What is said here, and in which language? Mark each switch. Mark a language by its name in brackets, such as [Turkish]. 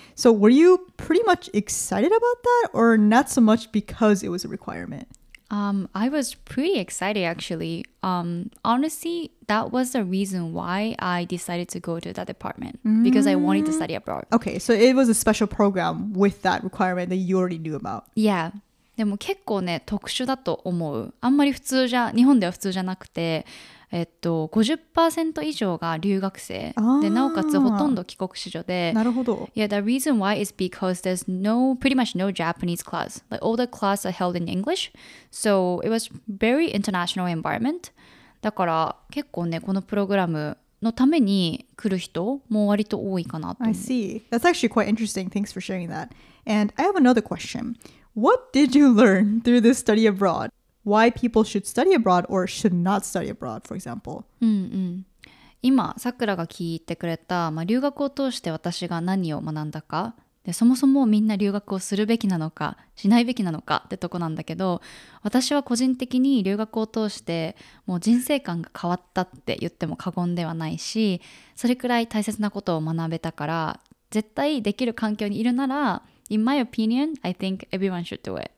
[English] So were you pretty much excited about that or not so much because it was a requirement? I was pretty excited, actually. Honestly, that was the reason why I decided to go to that department, because I wanted to study abroad. Okay, so it was a special program with that requirement that you already knew about. Yeah. [Japanese] でも結構ね、特殊だと思う。あんまり普通じゃ、日本では普通じゃなくて、50% 以上が留学生。で、なおかつほとんど帰国子女で。なるほど。 [English] Yeah, the reason why is because there's pretty much no Japanese class. Like, all the classes are held in English. So, it was very international environment. [Japanese] だから結構ね、このプログラムのために来る人も割と多いかなと思う。 [English] I see. That's actually quite interesting. Thanks for sharing that. And I have another question. What did you learn through this study abroad? Why people should study abroad or should not study abroad, for example? [Japanese] うん、今、さくらが聞いてくれた、まあ、留学を通して私が何を学んだか、で、そもそもみんな留学をするべきなのか、しないべきなのかってとこなんだけど、私は個人的に留学を通してもう人生観が変わったって言っても過言ではないし、それくらい大切なことを学べたから、絶対できる環境にいるなら、 [English] In my opinion, I think everyone should do it.